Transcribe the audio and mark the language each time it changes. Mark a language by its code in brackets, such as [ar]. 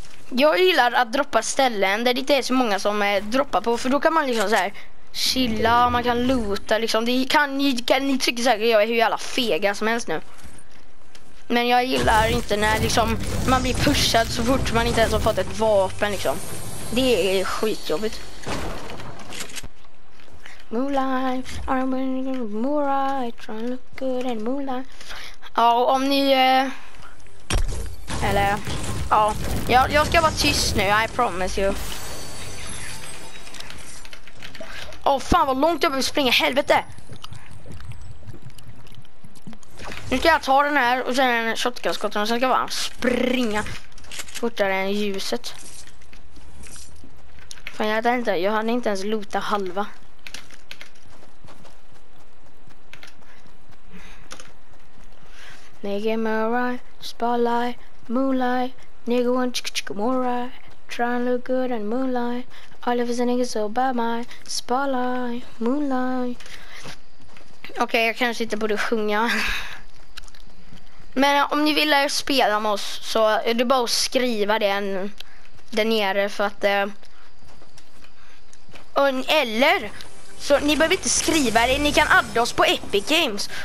[sv] Jag gillar att droppa ställen där det inte är så många som droppar på. För då kan man liksom så här chilla, man kan loota liksom. Ni tycker säkert att jag är hur jävla fega som helst nu. Men jag gillar inte när liksom man blir pushad så fort man inte ens har fått ett vapen liksom. Det är skitjobbigt. [en] Moonlight, I'm winning in moonlight, trying to look good in moonlight. [sv] Ja, om ni Eller, ja. Jag ska vara tyst nu, [en] I promise you. [sv] Åh, fan vad långt jag behöver springa, helvete! Nu ska jag ta den här och sen en shotgunskott och sen ska jag bara springa fortare än ljuset. Fan, jag hann inte ens loota halva. [en] Nigga Murray, spotlight, moonlight, nigga one chicka chicka Murray, trying to look good in moonlight, all of his niggas so bad, my spotlight, moonlight. [sv] Okej, jag kanske inte borde sjunga. Men om ni vill spela med oss så är det bara att skriva den där nere för att... eller... Så ni behöver inte skriva det, ni kan adda oss på Epic Games.